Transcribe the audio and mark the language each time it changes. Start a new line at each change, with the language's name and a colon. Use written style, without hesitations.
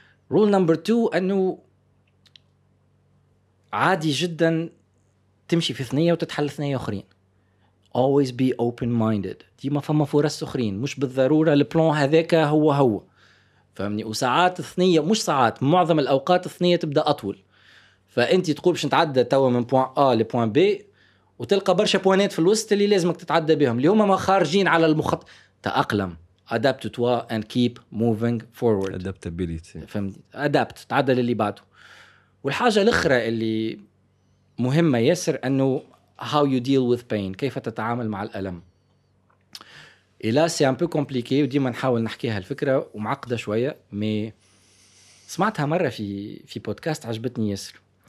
English: roll number 2
Arabic: انه عادي جدا تمشي في ثنيه وتتحل ثنيه اخرين،
English: always be open minded,
Arabic: ديما فما فرص اخرين، مش بالضروره البلان هذاك هو هو، فهمني؟ وساعات الثنية مش ساعات، معظم الأوقات الثنية تبدأ أطول، فأنت تقول باش نتعدى توا من بوان A لبوان B، وتلقى برشا بوانات في الوسط اللي لازمك تتعدى بهم، اللي هما ما خارجين على المخط. تأقلم،
English: adapt to and keep moving forward. Adaptability.
Arabic: فهمت؟ Adapt. تعدل اللي بعده. والحاجة الأخرى اللي مهمة ياسر أنه
English: how you deal with pain.
Arabic: كيف تتعامل مع الألم.
French: إلا سي أمبو كومبليكي
Arabic: وديما نحاول نحكيها الفكرة ومعقدة شوية. مي سمعتها مرة في بودكاست عجبتني ياسر.